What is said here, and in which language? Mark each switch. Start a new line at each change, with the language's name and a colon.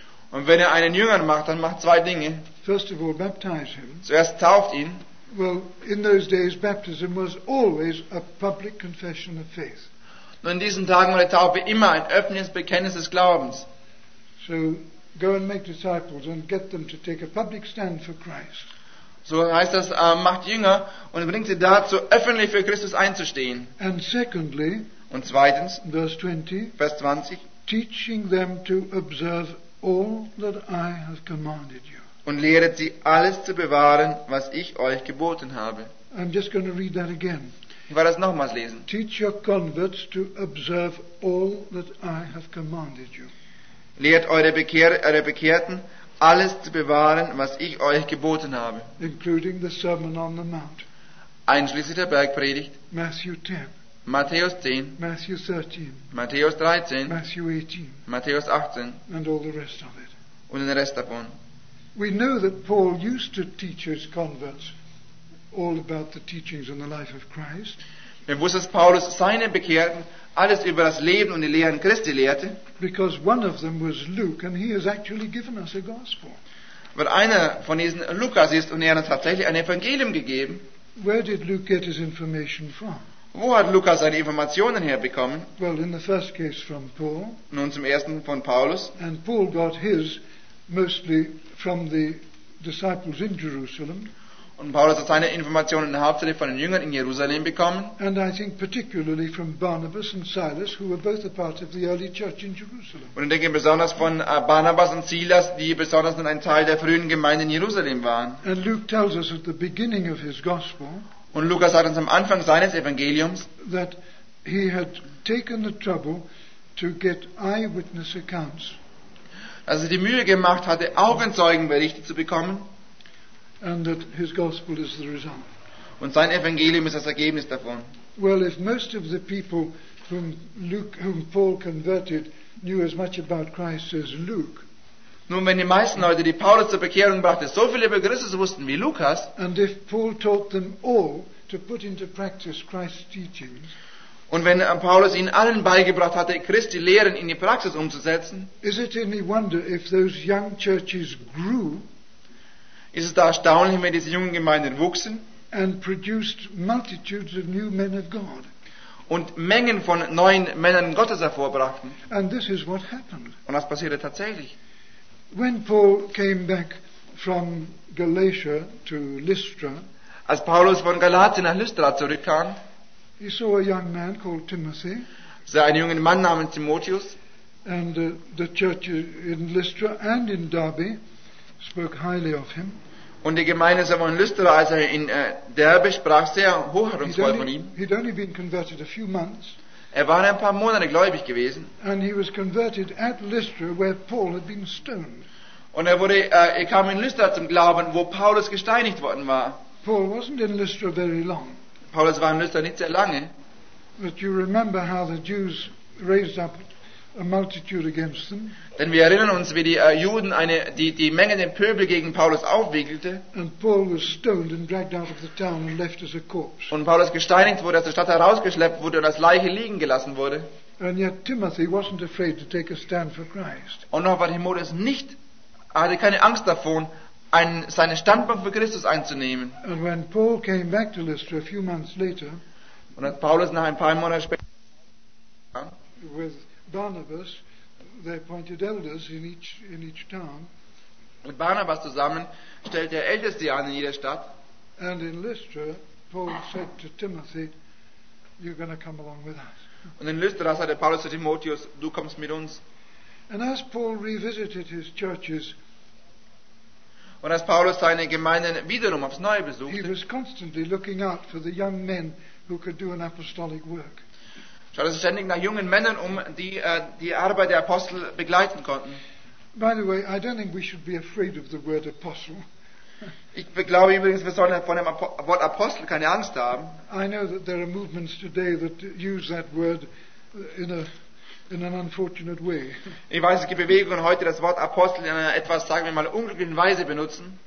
German: Und wenn er einen Jünger macht, dann macht zwei Dinge.
English: First of all, baptize him.
German: Zuerst tauft ihn.
English: Well, in those days, baptism was always a public confession of faith.
German: Nur in diesen Tagen war die Taufe immer ein öffentliches Bekenntnis des Glaubens.
English: So go and make disciples and get them to take a public stand for Christ.
German: So heißt das, macht Jünger und bringt sie dazu, öffentlich für Christus einzustehen.
English: And secondly,
German: und zweitens,
English: verse 20,
German: Vers 20,
English: teaching them to observe all that I have commanded you.
German: Und lehret sie alles zu bewahren, was ich euch geboten habe.
English: I'm just going to read that again.
German: Ich werde das nochmals lesen.
English: Teach your converts to observe all that I have commanded you.
German: Lehrt eure Bekehrten, alles zu bewahren, was ich euch geboten habe.
English: Including the Sermon on the Mount.
German: Einschließlich der Bergpredigt.
English: Matthew 10.
German: Matthäus 10.
English: Matthew 13.
German: Matthäus 13.
English: Matthew 18.
German: Matthäus 18.
English: And all the rest of it.
German: Und den Rest davon.
English: We know that Paul used to teach his converts all about the teachings and the life of Christ.
German: Wir wussten, dass Paulus seine Bekehrten alles über das Leben und die Lehren Christi lehrte.
English: Because one of them was Luke, and he has actually given us a gospel.
German: Weil einer von diesen Lukas ist und er hat tatsächlich ein Evangelium gegeben.
English: Where did Luke get his information from?
German: Wo hat Lukas seine Informationen herbekommen?
English: Well, in the first case from Paul.
German: Nun zum ersten von Paulus.
English: And Paul got his mostly from the disciples in Jerusalem.
German: Und Paulus hat seine Informationen hauptsächlich von den Jüngern in Jerusalem bekommen.
English: And I think particularly from Barnabas and Silas, who were both a part of the early church in Jerusalem.
German: Und ich denke besonders von Barnabas und Silas, die besonders ein Teil der frühen Gemeinde in Jerusalem waren.
English: And Luke tells us at the beginning of his gospel.
German: Und Lukas sagt uns am Anfang seines Evangeliums,
English: that he had taken the trouble to get eyewitness accounts.
German: Dass er die Mühe gemacht hatte, Augenzeugenberichte zu bekommen.
English: And that his gospel is the result.
German: Und sein Evangelium ist das Ergebnis davon.
English: Well, if most of the people whom Luke, whom Paul converted, knew as much about Christ as Luke.
German: Nun, wenn die meisten Leute, die Paulus zur Bekehrung brachte, so viel über Christus wussten wie Lukas.
English: And if Paul taught them all to put into practice Christ's teachings.
German: Und wenn Paulus ihnen allen beigebracht hatte, Christi Lehren in die Praxis umzusetzen.
English: Is it any wonder if those young churches grew?
German: Ist es da erstaunlich, wenn diese jungen Gemeinden wuchsen
English: and produced multitudes of new men of God.
German: und Mengen von neuen Männern Gottes hervorbrachten.
English: And this is what happened.
German: Und das passierte tatsächlich.
English: When Paul came back from Galatia to Lystra,
German: als Paulus von Galatien nach Lystra zurückkam,
English: he saw a young man called Timothy,
German: sah einen jungen Mann namens Timotheus,
English: and the church in Lystra and in Derbe spoke highly of him.
German: Und die Gemeinde sowohl in Lystra als auch in Derbe sprach sehr hochachtungsvoll von ihm.
English: He'd only been converted a few months.
German: Er war ein paar Monate gläubig gewesen.
English: And he was converted at Lystra, where Paul had been stoned.
German: Und er kam in Lystra zum Glauben, wo Paulus gesteinigt worden war.
English: Paul wasn't in Lystra very long.
German: Paulus war in Lystra nicht sehr lange.
English: But you remember how the Jews raised up a multitude against them.
German: Denn wir erinnern uns, wie die Juden die Menge, den Pöbel gegen Paulus aufwiegelte.
English: And Paul was stoned and dragged out of the town and left as a corpse.
German: Und Paulus gesteinigt wurde, aus der Stadt herausgeschleppt wurde und als Leiche liegen gelassen wurde.
English: And yet Timothy wasn't afraid to take a stand for Christ.
German: Und noch war Timotheus nicht, hatte keine Angst davon, seinen Standpunkt für Christus einzunehmen.
English: And when Paul came back to Lystra a few months later,
German: und als Paulus nach ein paar Monaten später
English: with Barnabas, they appointed elders in each town.
German: Mit Barnabas zusammen stellte er Älteste an in jeder Stadt.
English: And in Lystra, Paul said to Timothy, "You're going to come along with us."
German: Und in Lystra sagte Paulus zu Timotheus, du kommst mit uns.
English: And as Paul revisited his churches,
German: und als Paulus seine Gemeinden wiederum aufs Neue besuchte,
English: he was constantly looking out for the young men who could do an apostolic work.
German: Schaute sich ständig nach jungen Männern um, die die Arbeit der Apostel begleiten konnten.
English: By the way, I don't think we should be afraid of the word apostle.
German: Ich glaube übrigens, wir sollen von dem Wort Apostel keine Angst haben.
English: I know that there are movements today that use that word in an unfortunate way.
German: Ich weiß, es gibt Bewegungen heute, das Wort Apostel in einer etwas, sagen wir mal, unglücklichen Weise benutzen.